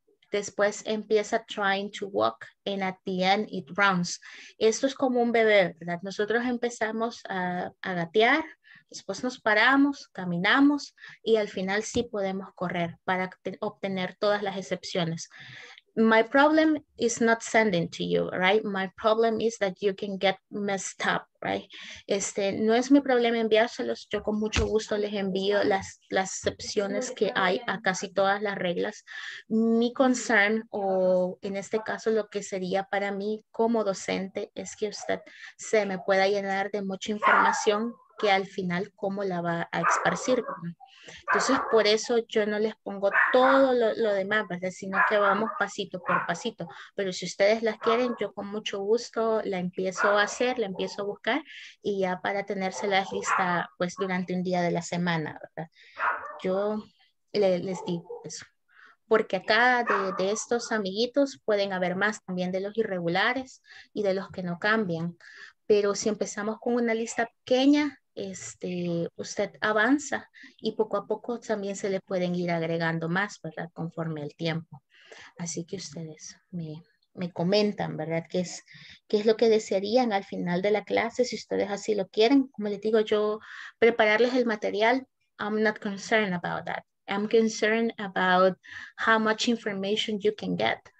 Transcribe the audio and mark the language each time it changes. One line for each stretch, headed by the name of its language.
Spanish: Después empieza
English: trying to walk and at the end it runs.
Spanish: Esto es como un bebé, ¿verdad? Nosotros empezamos a gatear, después nos paramos, caminamos y al final sí podemos correr para obtener todas las excepciones.
English: My problem is not sending to you, right? My problem is that you can get messed up, right?
Spanish: No es mi problema enviárselos. Yo con mucho gusto les envío las excepciones que hay a casi todas las reglas. Mi concern, o en este caso lo que sería para mí como docente, es que usted se me pueda llenar de mucha información que al final cómo la va a esparcir, ¿no? Entonces, por eso yo no les pongo todo lo demás, ¿verdad? Sino que vamos pasito por pasito. Pero si ustedes las quieren, yo con mucho gusto la empiezo a hacer, la empiezo a buscar y ya para tenérselas lista pues durante un día de la semana, ¿verdad? Yo les digo eso. Porque acá de estos amiguitos pueden haber más también de los irregulares y de los que no cambian. Pero si empezamos con una lista pequeña, usted avanza y poco a poco también se le pueden ir agregando más, ¿verdad? Conforme el tiempo. Así que ustedes me comentan, ¿verdad? ¿Qué es lo que desearían al final de la clase, si ustedes así lo quieren. Como les digo, yo prepararles el material,
English: I'm not concerned about that. I'm concerned about how much information you can get.